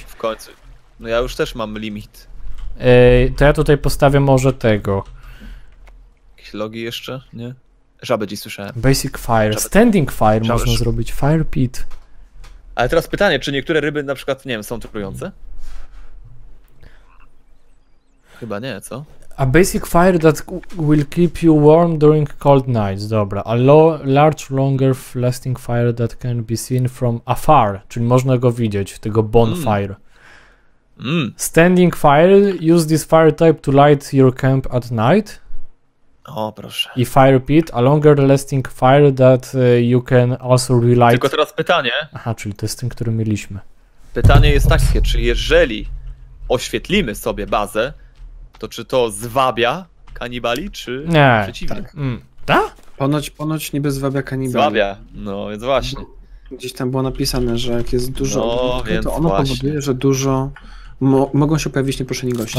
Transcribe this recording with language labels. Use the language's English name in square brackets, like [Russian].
[Polish] W końcu. No ja już też mam limit. To ja tutaj postawię może tego. Jakieś logi jeszcze, nie? Żabę dziś słyszałem. [English] Basic fire, żabę. Standing fire żabę. [Polish] Można zrobić, [English] fire pit. [Polish] Ale teraz pytanie, czy niektóre ryby na przykład, nie wiem, są trujące? Chyba nie, co? [English] A basic fire that will keep you warm during cold nights, dobra. A large, longer lasting fire that can be seen from afar, [Polish] czyli można go widzieć, tego [English] bonfire. Standing fire, use this fire type to light your camp at night. [Polish] O, proszę. [English] I fire pit, a longer lasting fire that you can also relight. [Polish] Tylko teraz pytanie. Aha, czyli to jest ten, który mieliśmy. Pytanie jest takie, czy jeżeli oświetlimy sobie bazę, to czy to zwabia kanibali, czy nie, przeciwnie? Tak. Ponoć niby zwabia kanibali. Zwabia, no więc właśnie. Gdzieś tam było napisane, że jak jest dużo, to ono właśnie powoduje, że dużo mogą się pojawić nieproszeni goście.